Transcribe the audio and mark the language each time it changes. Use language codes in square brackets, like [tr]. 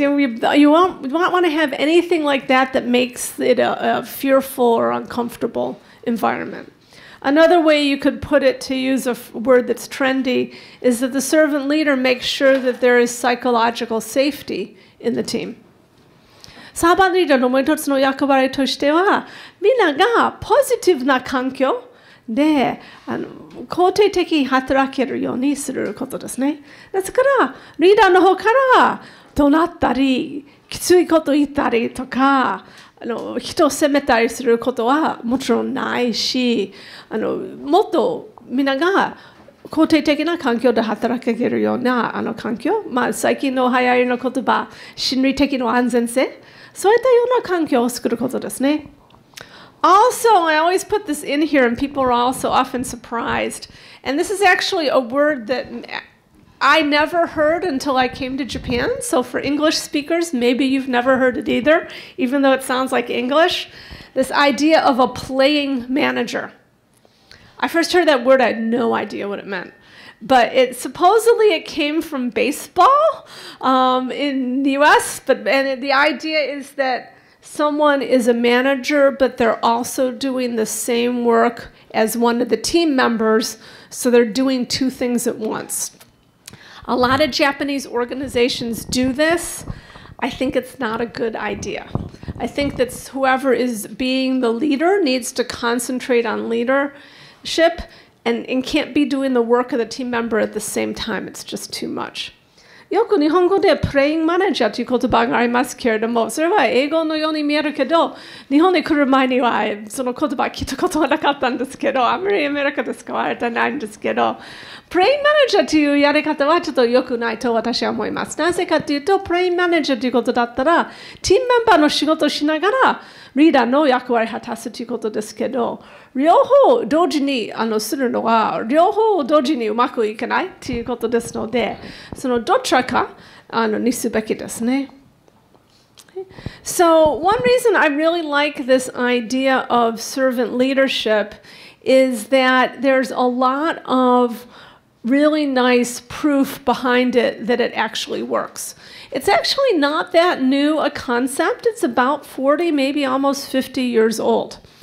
[en] You know, you won't want to have anything like that that makes it a fearful or uncomfortable environment. Another way you could put it, to use a word that's trendy, is that the servant leader makes sure that there is psychological safety in the team. [ja] サーバーリーダーのもう一つの役割としては、みんながポジティブな環境で肯定的に働けるようにすることですね。ですから、リーダーの方から怒鳴ったり、きついこと言ったりとか、人を責めたりすることはもちろんないし、もっとみんなが肯定的な環境で働けるような環境、まあ、最近の流行りの言葉、心理的な安全性、そういったような環境を作ることですね。 [en] Also, I always put this in here and people are also often surprised. And this is actually a word that I never heard until I came to Japan. So for English speakers, maybe you've never heard it either, even though it sounds like English. This idea of a playing manager. I first heard that word, I had no idea what it meant. But it supposedly it came from baseball in the US, the idea is that someone is a manager, but they're also doing the same work as one of the team members, so they're doing two things at once. A lot of Japanese organizations do this. I think it's not a good idea. I think that whoever is being the leader needs to concentrate on leadership and can't be doing the work of the team member at the same time. It's just too much. [ja] よく日本語でプレイングマネージャーという言葉がありますけれども、それは英語のように見えるけど、日本に来る前にはその言葉聞いたことはなかったんですけど、あまりアメリカで使われてないんですけど、プレイングマネージャーというやり方はちょっと良くないと私は思います。なぜかというと、プレイングマネージャーということだったら、チームメンバーの仕事をしながら、リーダーの役割を果たすということですけど、両方同時にするのは、両方同時にうまくいかないということですので、そのどちらかにすべきですね。 [en] So one reason I really like this idea of servant leadership is that there's a lot of really nice proof behind it that it actually works. It's actually not that new a concept. It's about 40, maybe almost 50 years old.